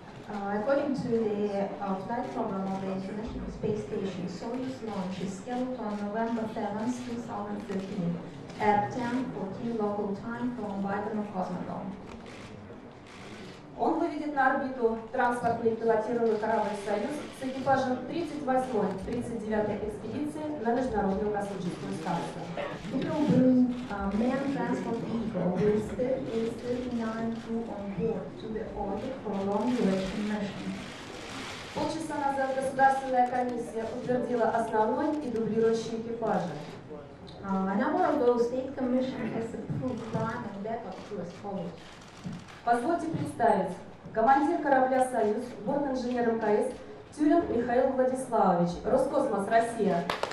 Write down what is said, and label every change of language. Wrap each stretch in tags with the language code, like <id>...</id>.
<en>According to the flight program of the International Space Station, Soyuz launch is scheduled on November 7, 2013 at 10:14 local time from Baikonur Cosmodrome.</en> <ru>Он выведет на орбиту транспортный пилотируемый корабль «Союз» с экипажем 38-й, 39-й экспедиции на Международную космическую станцию.</ru> <en>He will bring a manned transport vehicle with 38 crew on board to the orbit for a long-duration mission.</en> <ru>Полчаса назад Государственная комиссия утвердила основной и дублирующий экипажи.</ru> <en>An hour ago, State Commission has approved prime and backup crew as follows.</en> <ru>Позвольте представить, командир корабля «Союз», борт-инженер МКС Тюрин Михаил Владиславович, Роскосмос, Россия.</ru>